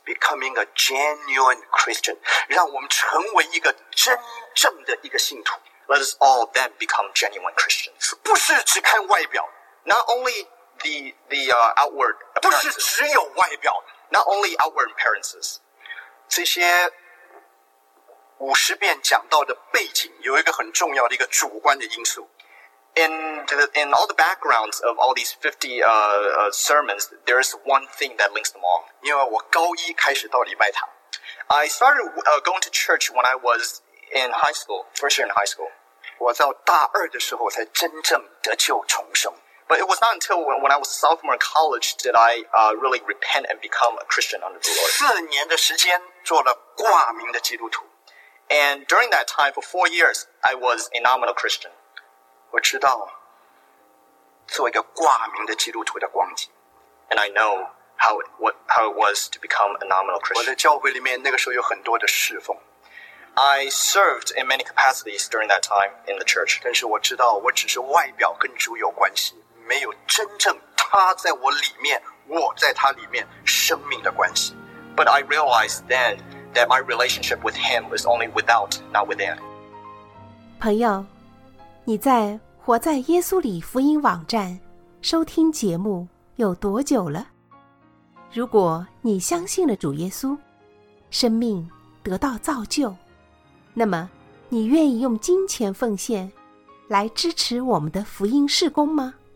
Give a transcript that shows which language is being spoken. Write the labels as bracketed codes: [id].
[en] becoming a genuine Christian, [zh] 让我们成为一个真正的一个信徒。 [en] Let us all then become genuine Christians. [zh] 不是只看外表 [en] ，not only the outward appearances. [zh] 不是只有外表 [en] ，not only outward appearances. [zh] 这些五十遍讲到的背景有一个很重要的一个主观的因素。 [en] In all the backgrounds of all these 50 sermons, there is one thing that links them all. [zh] 因为我高一开始到礼拜堂。 [en] I started going to church when I was in high school, first year in high school. [zh] 我到大二的时候才真正得救重生。 [en] But it was not until when I was a sophomore in college did I really repent and become a Christian under the Lord. [zh] 四年的时间做了挂名的基督徒。 [en] And during that time, for 4 years, I was a nominal Christian. [zh] 我知道做一个挂名的基督徒的光景 [en] And I know how it was to become a nominal Christian. [zh] 我在教会里面那个时候有很多的侍奉 [en] I served in many capacities during that time in the church. [zh] 但是我知道我只是外表跟主有关系没有真正他在我里面我在他里面生命的关系 [en] But I realized then that my relationship with him was only without, not within. [zh] 朋友你在活在耶稣里福音网站收听节目有多久了？如果你相信了主耶稣，生命得到造就，那么你愿意用金钱奉献来支持我们的福音事工吗？